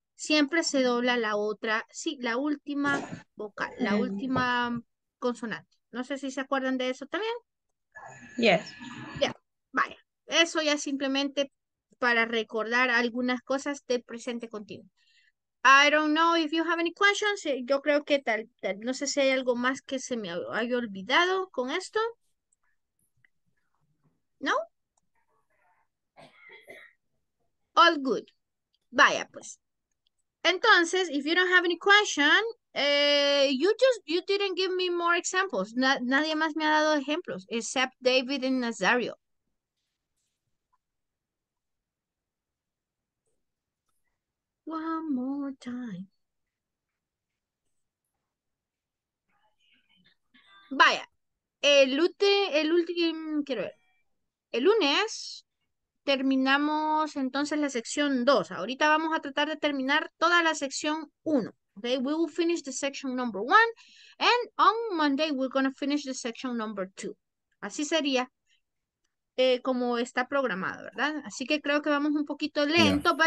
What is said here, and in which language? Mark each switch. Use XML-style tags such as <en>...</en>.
<es>Siempre se dobla la otra, sí, la última vocal, la última consonante. No sé si se acuerdan de eso también.</es> <en>Yes.</en> <es>Ya, vaya. Eso ya simplemente para recordar algunas cosas del presente continuo.</es> <en>I don't know if you have any questions.</en> <es>Yo creo que tal. No sé si hay algo más que se me haya olvidado con esto. ¿No?</es> <en>All good.</en> <es>Vaya, pues. Entonces,</es> <en>if you don't have any question, you didn't give me more examples.</en> <es>Nadie más me ha dado ejemplos,</es> <en>except David and Nazario. One more time.</en> <es>Vaya, el lunes terminamos entonces la sección 2. Ahorita vamos a tratar de terminar toda la sección 1.</es> <en>Okay, we will finish the section number 1. And on Monday we're going to finish the section number 2.</en> <es>Así sería como está programado, ¿verdad? Así que creo que vamos un poquito lento, yeah.</es>